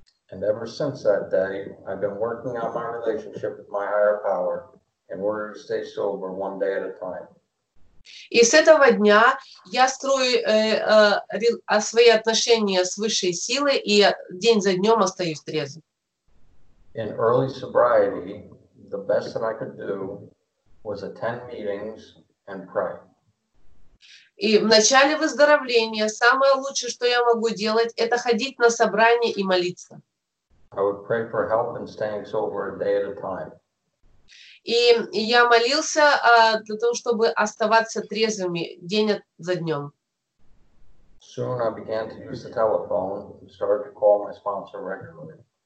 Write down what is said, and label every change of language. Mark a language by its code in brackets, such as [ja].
[en] And ever since that day, I've been working on my relationship with my higher power in order to stay sober one day at a time. [ru] И с этого дня я строю свои отношения с высшей силой и день за днем остаюсь трезвым. [en] In early sobriety, the best that I could do was attend meetings and pray. [ru] И в начале выздоровления самое лучшее, что я могу делать, это ходить на собрания и молиться. [en] I would pray for help and staying sober a day at a time. [ru] И я молился для того, чтобы оставаться трезвыми день за днем. [en] Soon I began to use the telephone and started to call my sponsor regularly.